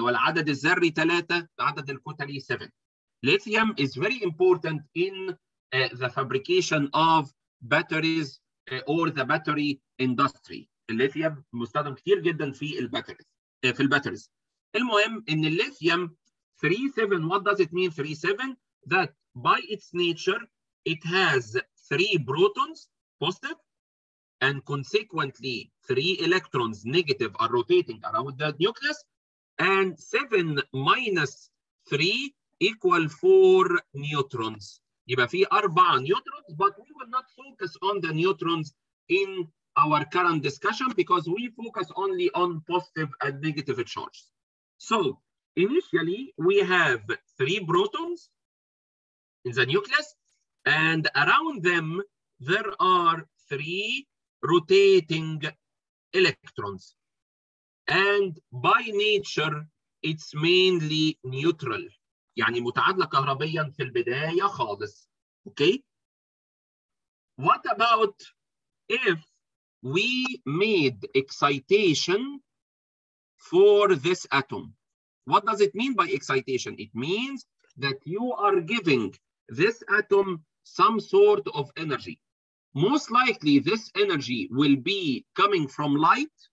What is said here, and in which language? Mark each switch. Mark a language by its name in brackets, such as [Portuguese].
[Arabic] اللي هو العدد الذري 3, العدد الكتلي 7. [English] Lithium is very important in the fabrication of batteries or the battery industry. [Arabic] Lithium مستخدم كتير جدا في الباتريز. في الباتريز. المهم ان [English] lithium 3-7, what does it mean 3-7? That by its nature, it has 3 protons positive, and consequently 3 electrons negative are rotating around the nucleus, and 7 minus 3 equal 4 neutrons. [Arabic] يبقى في [English] 4 neutrons, but we will not focus on the neutrons in our current discussion because we focus only on positive and negative charges. So initially we have 3 protons in the nucleus, and around them, there are 3 rotating electrons. And by nature, it's mainly neutral. [Arabic] يعني متعادلة كهربيا في البداية خالص. [English] Okay? What about if we made excitation for this atom? What does it mean by excitation? It means that you are giving this atom some sort of energy. Most likely this energy will be coming from light,